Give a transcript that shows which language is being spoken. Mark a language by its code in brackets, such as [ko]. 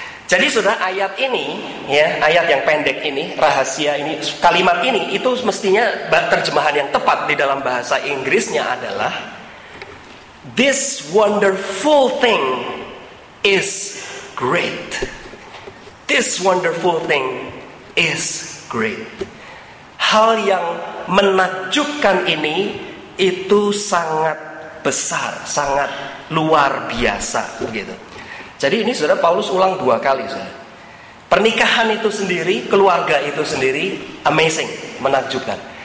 [id] Jadi saudara, ayat ini ya, ayat yang pendek ini, rahasia ini, kalimat ini itu mestinya terjemahan yang tepat di dalam bahasa Inggrisnya adalah [en] this wonderful thing is great. This wonderful thing is great. [id] Hal yang menakjubkan ini itu sangat besar, sangat luar biasa gitu. Jadi ini saudara, Paulus ulang dua kali saudara. Pernikahan itu sendiri, keluarga itu sendiri amazing, menakjubkan.